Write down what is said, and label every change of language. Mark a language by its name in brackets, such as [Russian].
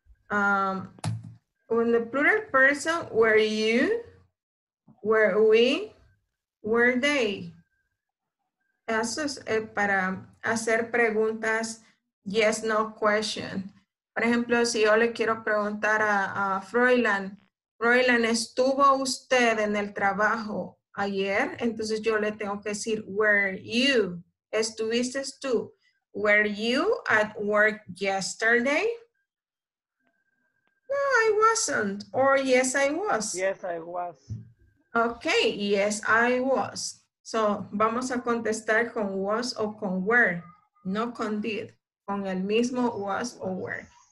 [English] When the plural person, were you, were we, were they. [Spanish] Eso es para hacer preguntas, [English] yes, no question. [Spanish] Por ejemplo, si yo le quiero preguntar a Froilán, Froilán, ¿estuvo usted en el trabajo ayer? Entonces yo le tengo que decir, [English] were you, [Spanish] estuviste tú, [English] were you at work yesterday? No, I wasn't. Or yes, I was. Yes, I was. Okay, yes, I was. So, [Spanish] vamos a contestar con was o con were, no con did, con el mismo was o were.